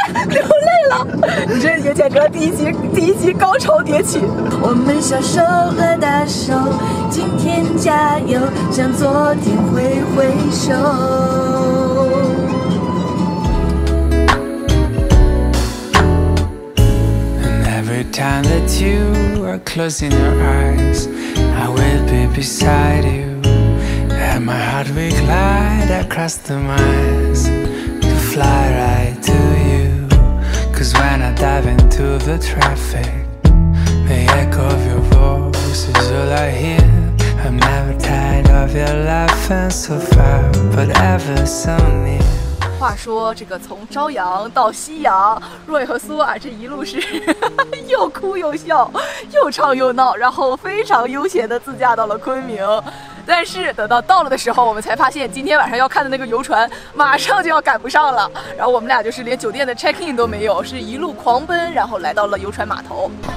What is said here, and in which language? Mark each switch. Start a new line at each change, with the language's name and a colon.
Chinese: 流泪了，你这也简直第一集高潮迭起。我们小手拉大手，今天加油，向昨天挥挥手。
English: And every time that you are closing your eyes, I will be beside you, and my heart will glide across the miles to fly right to you. 'Cause when I dive into the traffic, the echo of your voice is all I hear. I'm never tired of your laughing so far, but ever so near.
Chinese: 话说这个从朝阳到夕阳，Roy和苏瓦这一路是又哭又笑，又唱又闹，然后非常悠闲的自驾到了昆明。但是等到了的时候，我们才发现今天晚上要看的那个游船马上就要赶不上了，然后我们俩就是连酒店的 check in 都没有，是一路狂奔，然后来到了游船码头。